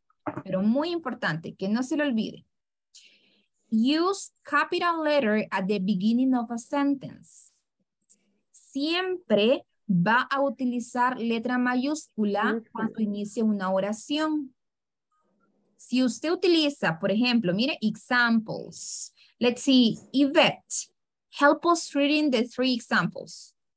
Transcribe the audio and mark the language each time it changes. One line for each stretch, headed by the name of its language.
Spanish: Pero muy importante, que no se le olvide.
English: Use capital letter at the beginning of a sentence.
Spanish: Siempre va a utilizar letra mayúscula cuando inicie una oración. Si usted utiliza, por ejemplo, mire, examples.
English: Let's see, Yvette, help us reading the three examples.